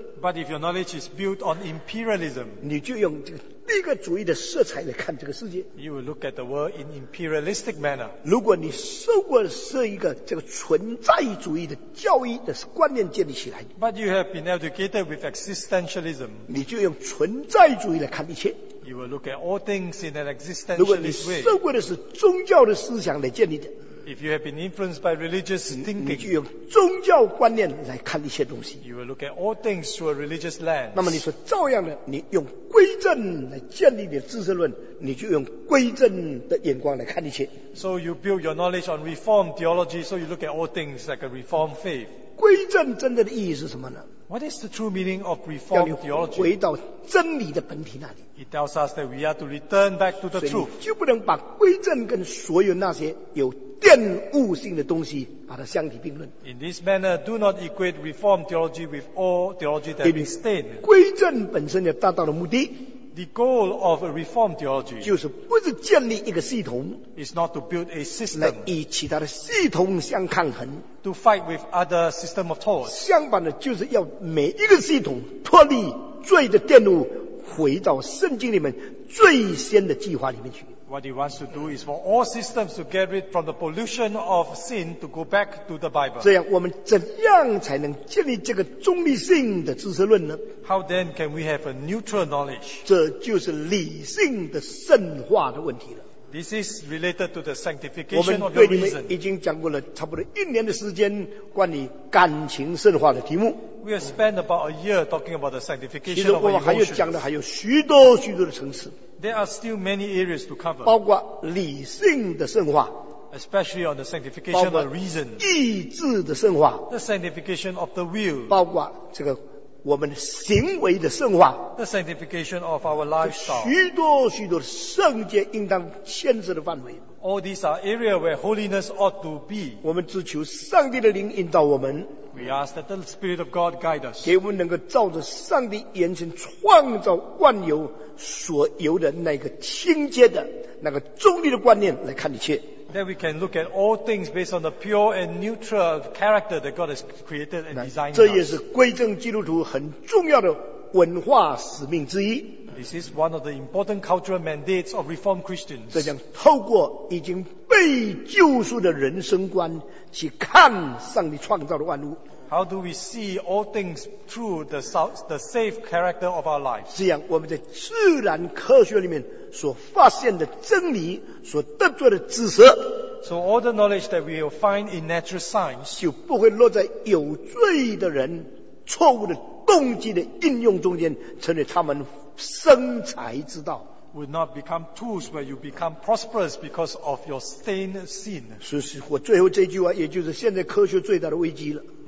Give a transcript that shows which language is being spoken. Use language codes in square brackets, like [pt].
[en] But if your knowledge is built on imperialism, [zh] 你就用这个帝国主义的色彩来看这个世界。 [en] You will look at the world in imperialistic manner. [zh] 如果你受过是一个这个存在主义的教育的观念建立起来， [en] But you have been educated with existentialism. [zh] 你就用存在主义来看一切。 [en] You will look at all things in an existentialist way. [zh] 如果你受过的是宗教的思想来建立的， [en] If you have been influenced by religious thinking, [zh] 你就用宗教观念来看一些东西。 [en] You will look at all things through a religious lens. [zh] 那么你说照样的，你用归正来建立你的知识论，你就用归正的眼光来看一切。 [en] So you build your knowledge on reform theology, so you look at all things like a reform faith. [zh] 归正真正的意义是什么呢？ [en] What is the true meaning of Reformed theology? [zh] 要你回到真理的本体那里。 [en] It tells us that we are to return back to the truth. [zh] 所以你就不能把归正跟所有那些有玷污性的东西把它相提并论。 [en] In this manner, do not equate Reformed theology with all theology that is stained. [zh] 归正本身的大道的目的。 [en] The goal of a Reformed theology [zh] 就是不是建立一个系统 [en] is not to build a system [zh] 来与其他的系统相抗衡 [en] to fight with other system of thought [zh] 相反的就是要每一个系统脱离罪的玷污回到圣经里面最先的计划里面去 [en] What he wants to do is for all systems to get rid from the pollution of sin to go back to the Bible [zh] 这样我们怎样才能建立这个中立性的知识论呢 [en] How then can we have a neutral knowledge? [zh] 这就是理性的圣化的问题了。 [en] This is related to the sanctification of your reason. [zh] 我们对你们已经讲过了差不多一年的时间，关于感情圣化的题目。 [en] We have spent about a year talking about the sanctification of emotions. [zh] 其实我们还要讲的还有许多许多的层次。 [en] There are still many areas to cover. [zh] 包括理性的圣化。 [en] Especially on the sanctification of reason. [zh] 包括意志的圣化。 [en] The sanctification of the will. [zh] 包括这个。我们行为的圣化 [en] the sanctification of our lifestyle [zh] 许多许多圣洁应当限制的范围 [en] all these are areas where holiness ought to be [zh] 我们只求上帝的灵引导我们 [en] we ask that the spirit of God guide us [zh] 给我们能够照着上帝眼前创造万有所有的那个清洁的那个中立的观念来看一切 [en] that we can look at all things based on the pure and neutral character that God has created and designed [zh] 这也是归正基督徒很重要的文化使命之一 [en] This is one of the important cultural mandates of Reformed Christians [zh] 这将透过已经被救赎的人生观去看上帝创造的万物 [en] How do we see all things through the safe character of our lives [zh] 这样我们在自然科学里面所发现的真理所得着的知识 [en] So all the knowledge that we will find in natural science [zh] 就不会落在有罪的人错误的动机的应用中间成为他们生财之道 [en] Would not become tools where you become prosperous because of your stained sin [zh] 是我最后这句话也就是现在科学最大的危机了